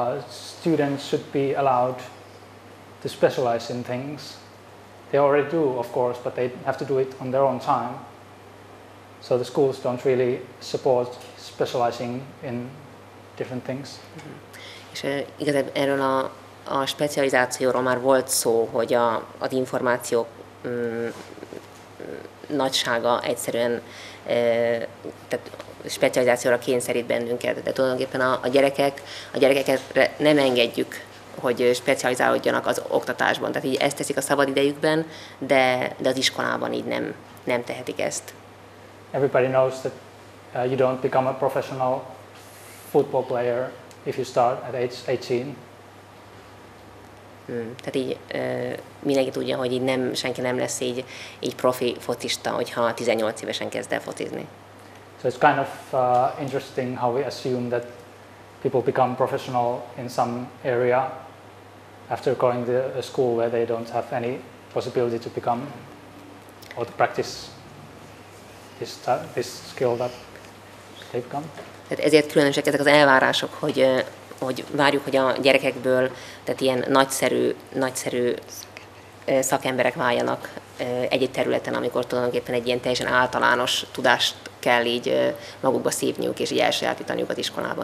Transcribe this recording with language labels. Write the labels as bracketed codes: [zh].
[en] Students should be allowed to specialize in things. They already do, of course, but they have to do it on their own time. So the schools don't really support specializing in different things. Mm-hmm. [hu] És igazából erről a specializációról már volt szó, hogy az információ nagysága egyszerűen tehát specializációra kényszerít bennünket. De tulajdonképpen a gyerekeket nem engedjük, hogy specializálódjanak az oktatásban. Tehát így ezt teszik a szabad idejükben, de az iskolában így nem tehetik ezt. [en] Everybody knows that you don't become a professional football player if you start at age 18. [hu] Tehát így mindenki tudja, hogy így senki nem lesz így profi focista, hogyha 18 évesen kezd el focizni. [en] So it's kind of interesting how we assume that people become professional in some area after going to a school where they don't have any possibility to become or to practice this skill that they become. [hu] Tehát ezért különösek ezek az elvárások, hogy várjuk, hogy a gyerekekből tehát ilyen nagyszerű szakemberek váljanak egy-egy területen, amikor tulajdonképpen egy ilyen teljesen általános tudást kell így magukba szívniuk és így elsajátítaniuk az iskolában.